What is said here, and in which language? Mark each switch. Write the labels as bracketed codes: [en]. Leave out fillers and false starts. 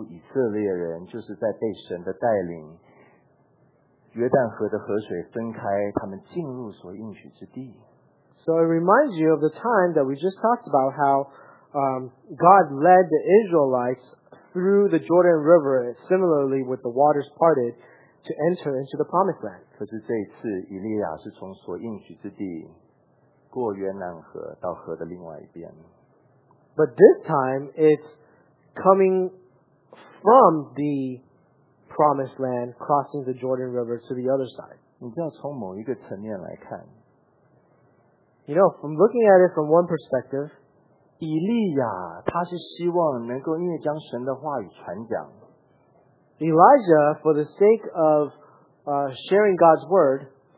[zh] 让人想到当初以色列人就是在被神的带领, 约旦河的河水分开, 他们进入所应许之地。 [en] So it reminds you of the time that we just talked about how God led the Israelites through the Jordan River, similarly with the waters parted, to enter into the Promised Land. [zh] 可是这一次以利亚是从所应许之地过约旦河到河的另外一边。 [en] But this time it's coming from the Promised Land, crossing the Jordan River to the other side. [zh] 你知道从某一个层面来看, [en] you know, from looking at it from one perspective, [zh] 以利亚他是希望能够因为将神的话语传讲, [en] Elijah, for the sake of sharing God's word,